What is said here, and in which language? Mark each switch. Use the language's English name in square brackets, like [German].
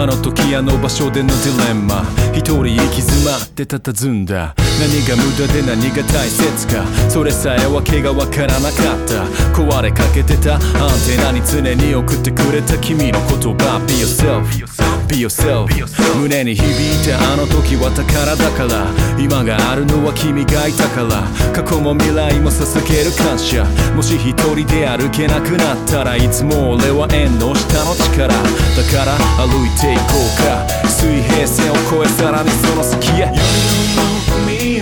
[Japanese] あの時あの場所でのディレンマ、一人行き詰まって佇んだ。何が無駄で何が大切か、それさえわけがわからなかった。壊れかけてたアンテナに常に送ってくれた君の言葉。 [English] Be yourself, be yourself, be yourself. [Japanese] 胸に響いたあの時は宝だから。今があるのは君がいたから。過去も未来も捧げる感謝。もし一人で歩けなくなったら、いつも俺は縁の下の力だから、歩いていこうか。水平線を越えさらにその先へ。